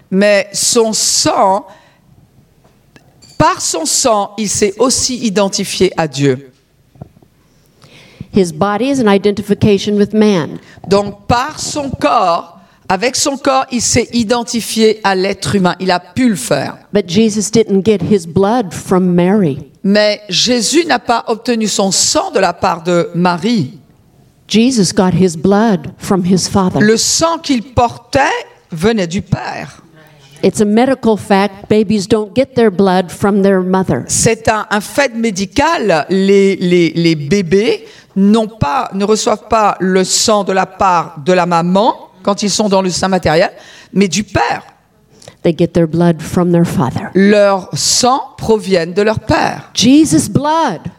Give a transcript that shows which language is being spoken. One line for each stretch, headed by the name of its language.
French: Mais son sang, par son sang, il s'est aussi identifié à Dieu.
English: His body is an identification with man.
French: Donc par son corps, avec son corps, il s'est identifié à l'être humain. Il a pu le faire.
English: But Jesus didn't get his blood from Mary.
French: Mais Jésus n'a pas obtenu son sang de la part de Marie.
English: Jesus got his blood from his father.
French: Le sang qu'il portait venait du Père.
English: It's a medical fact. Babies don't get their blood from their mother.
French: C'est un fait médical. Les bébés n'ont pas, ne reçoivent pas le sang de la part de la maman quand ils sont dans le sein matériel, mais du Père.
English: They get their blood from their father.
French: Leur sang provient de leur Père.
English: Jesus' blood.